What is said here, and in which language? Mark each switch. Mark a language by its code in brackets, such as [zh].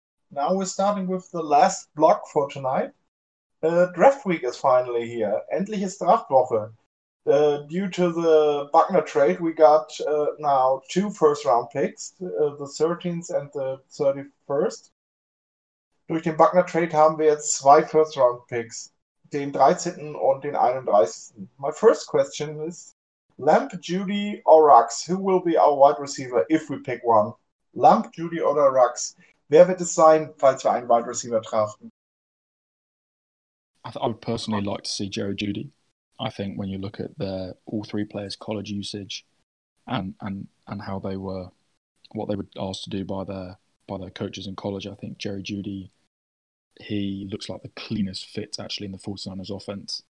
[en] Now we're starting with the last block for tonight. Draft week is finally here. [de] Endlich ist Draftwoche. [en] Due to the Buckner trade, we got now two first-round picks, the 13th and the 31st. [de] Durch den Buckner trade haben wir jetzt zwei first-round picks. Den 13. und den 31. [en] My first question is, Lamb, Judy, or Ruggs? Who will be our wide receiver if we pick one? [de] Lamb, Judy, oder Ruggs? Wer wird es sein, falls wir einen wide receiver draften? [en] I would personally like to see Jerry Judy. I think when you look at their all three players' college usage and how they were, what they were asked to do by their coaches in college, I think Jerry Judy, he looks like the cleanest fit actually in the 49ers offense.